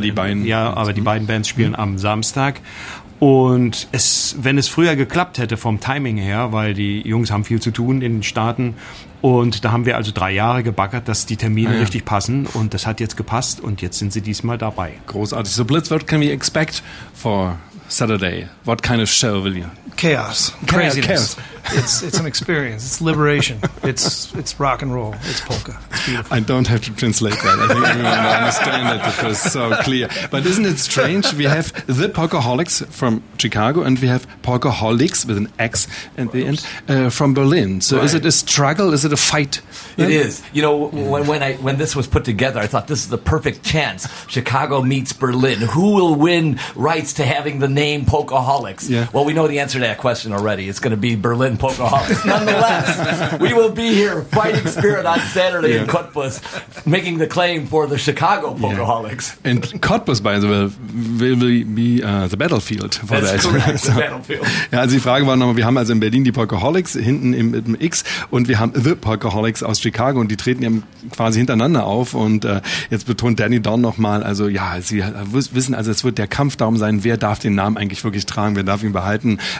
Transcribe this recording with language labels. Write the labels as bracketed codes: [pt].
[de] Die beiden Bands spielen am Samstag. Und wenn es früher geklappt hätte vom Timing her, weil die Jungs haben viel zu tun in den Staaten, und da haben wir also 3 Jahre gebaggert, dass die Termine richtig passen, und das hat jetzt gepasst und jetzt sind sie diesmal dabei. Großartig. [en] So Blitz, what can we expect for Saturday? What kind of show will you? Chaos. Craziness. Chaos. It's an experience. It's liberation. It's rock and roll. It's polka. It's beautiful. I don't have to translate that. I think everyone will understand it. It was so clear. But isn't it strange? We have the Polkaholics from Chicago and we have Polkaholics with an X at the end from Berlin. So is it a struggle? Is it a fight? It is. You know, when this was put together, I thought this is the perfect chance. Chicago meets Berlin. Who will win rights to having the name Polkaholics? Yeah. Well, we know the answer to that question already. It's going to be Berlin Polkaholics. Nonetheless, we will be here fighting spirit on Saturday in Cottbus, making the claim for the Chicago Polkaholics. Yeah. And Cottbus, by the way, will be the battlefield for That's that. Correct, so, the battlefield. [de] Ja, also die Frage war nochmal, wir haben also in Berlin die Polkaholics hinten im X und wir haben The Polkaholics aus Chicago und die treten eben quasi hintereinander auf und jetzt betont Danny Dorn nochmal, also ja, sie wissen, also es wird der Kampf darum sein, wer darf den Namen eigentlich wirklich tragen, wer darf ihn behalten.